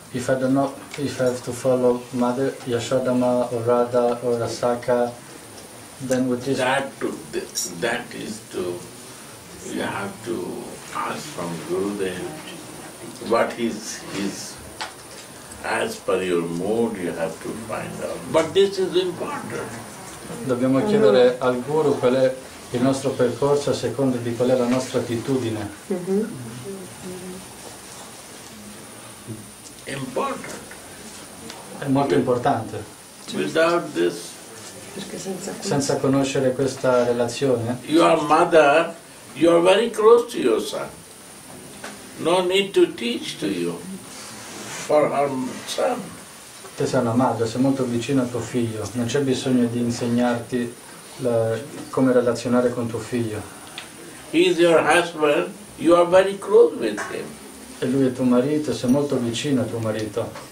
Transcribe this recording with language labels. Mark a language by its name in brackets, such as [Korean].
[English] If I don't know if I have to follow Mother Yashodama or Radha or Asaka, then what is... That is to... You have to ask from Gurudev what is his... As per your mood, you have to find out. But this is important. [Italian] Dobbiamo chiedere al Guru qual è il nostro percorso a seconda di qual è la nostra attitudine. [English] Important. [Italian] È molto importante. [English] Without this, [Italian] senza conoscere questa relazione. [English] You are mother, you are very close to your son. No need to teach to you for her son. [Italian] te sei una madre, sei molto vicino a tuo figlio, non c'è bisogno di insegnarti la, come relazionare con tuo figlio. [English] He's your husband, you are very close with him. [Italian] E lui è tuo marito, sei molto vicino a tuo marito.